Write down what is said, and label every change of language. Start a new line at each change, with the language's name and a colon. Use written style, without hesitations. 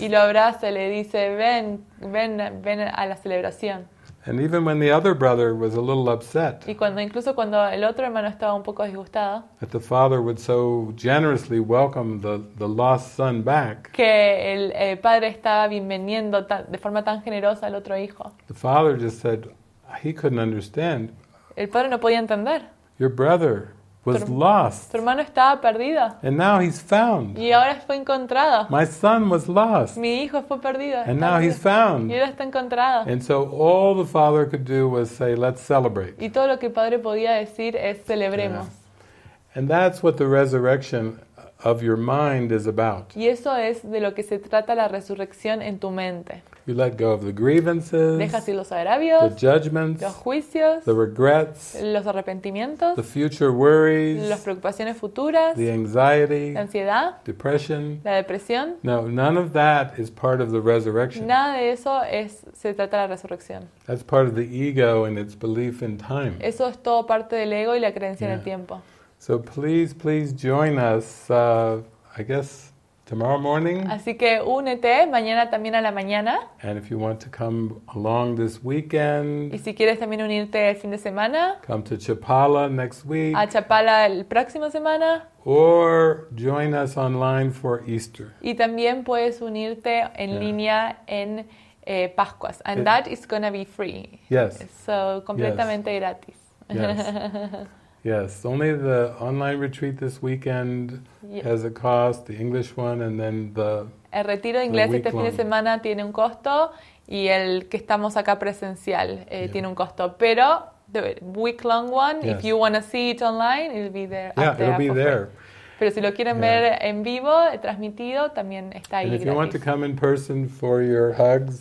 Spanish: Y lo abraza y le dice, ven, ven, ven a la celebración.
English: And even when the other brother was a little upset,
Spanish: y cuando, incluso cuando el otro hermano estaba un poco disgustado,
English: that the father would so generously welcome the lost son back,
Spanish: que el padre estaba bienveniendo de forma tan generosa al otro hijo,
English: the father just said he couldn't understand.
Spanish: El padre no podía entender.
English: Your brother was lost.
Spanish: Tu hermano estaba perdido.
English: And now he's found.
Spanish: Y ahora fue encontrado.
English: My son was lost.
Spanish: Mi hijo fue perdido.
English: And now he's found.
Spanish: Y ahora está encontrado.
English: And so all the father could do was say, let's celebrate.
Spanish: Y todo lo que el padre podía decir es celebremos.
English: Yeah. And that's what the resurrection of your mind is about.
Spanish: Y eso es de lo que se trata la resurrección en tu mente.
English: You let go of the grievances,
Spanish: dejas ir los agravios,
English: the judgments,
Spanish: los juicios,
English: the regrets,
Spanish: los arrepentimientos,
English: the future worries,
Spanish: las preocupaciones futuras,
English: the anxiety,
Spanish: la ansiedad,
English: depression,
Spanish: la depresión.
English: No, none of that is part of the resurrection.
Spanish: Nada de eso se trata de la resurrección.
English: That's part of the ego and its belief in time.
Spanish: Eso es todo parte del ego y la creencia en el tiempo.
English: So please, please join us, I guess, tomorrow morning.
Spanish: Así que únete mañana también a la mañana.
English: And if you want to come along this weekend.
Spanish: Y si quieres también unirte el fin de semana.
English: Come to Chapala next week.
Spanish: A Chapala el próximo semana.
English: Or join us online for Easter.
Spanish: Y también puedes unirte en línea en Pascuas.
English: And that is going to be free. Yes.
Spanish: So completamente gratis.
English: Yes. Yes, only the online retreat this weekend has a cost, the English one, and then the
Spanish: El retiro de inglés este fin de semana tiene un costo, y el que estamos acá presencial tiene un costo. Pero
English: the week-long one, if you want to see it online, it'll be there. Yeah, it'll be there.
Spanish: Pero si lo quieren ver en vivo, transmitido, también está ahí.
English: And if you want to come in person for your hugs,